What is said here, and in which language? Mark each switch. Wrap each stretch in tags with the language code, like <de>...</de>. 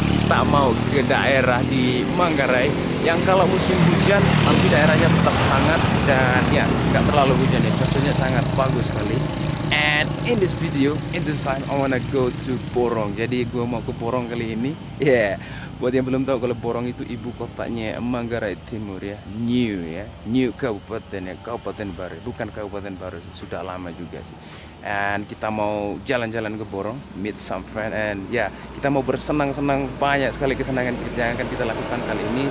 <id>Tak mau ke daerah di Manggarai yang kalau musim hujan tapi daerahnya tetap hangat dan ya nggak terlalu hujan ya, cuacanya sangat bagus sekali.</id> <en>And in this video, in this time I wanna go to Porong.</en> <id>Jadi gue mau ke Porong kali ini. Yeah, buat yang belum tahu kalau Porong itu ibu kotanya Manggarai Timur ya, new ya, new kabupaten ya, kabupaten baru, bukan kabupaten baru, sudah lama juga sih. And kita mau jalan-jalan ke Porong,</id> <en>meet some friend, and yeah,</en> <id>kita mau bersenang-senang, banyak sekali kesenangan yang akan kita lakukan kali ini.</id>